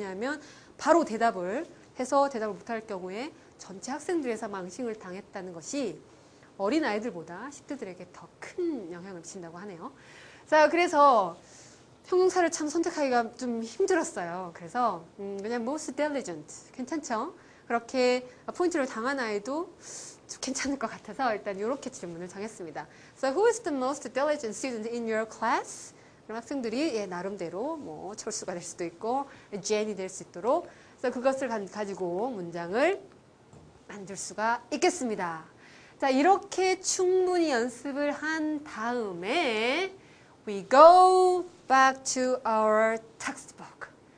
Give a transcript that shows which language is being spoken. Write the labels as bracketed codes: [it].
[ko] 왜냐하면 바로 대답을 해서 대답을 못할 경우에 전체 학생들에서 망신을 당했다는 것이 어린아이들보다 10대들에게 더 큰 영향을 미친다고 하네요. 자, 그래서 형용사를 참 선택하기가 좀 힘들었어요. 그래서 그냥 most diligent 괜찮죠? 그렇게 포인트를 당한 아이도 좀 괜찮을 것 같아서 일단 이렇게 질문을 정했습니다. [en] So who is the most diligent student in your class? [ko] 그럼 학생들이 나름대로 뭐 철수가 될 수도 있고 Jane이 될 수 있도록 그래서 그것을 가지고 문장을 만들 수가 있겠습니다. 자, 이렇게 충분히 연습을 한 다음에 [en] We go back to our textbook.